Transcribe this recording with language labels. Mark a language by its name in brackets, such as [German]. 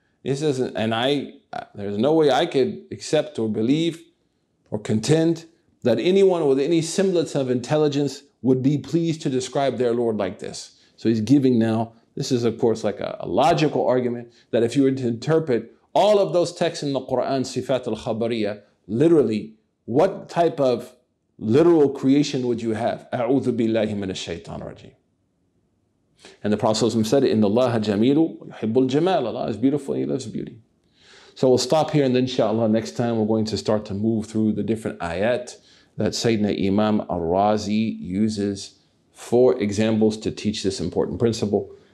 [English] This is, and I, there's no way I could accept or believe or contend that anyone with any semblance of intelligence would be pleased to describe their Lord like this. So he's giving now, this is of course like a logical argument, that if you were to interpret all of those texts in the Quran, Sifat al-Khabariya, literally, what type of literal creation would you have? [Arabic] أعوذ بالله من الشيطان الرجيم. [English] And the Prophet said, [Arabic] إن الله جميل يحب الجمال, [English] Allah is beautiful, He loves beauty. So we'll stop here, and then inshallah next time we're going to start to move through the different ayat that Sayyidina Imam Al-Razi uses for examples to teach this important principle.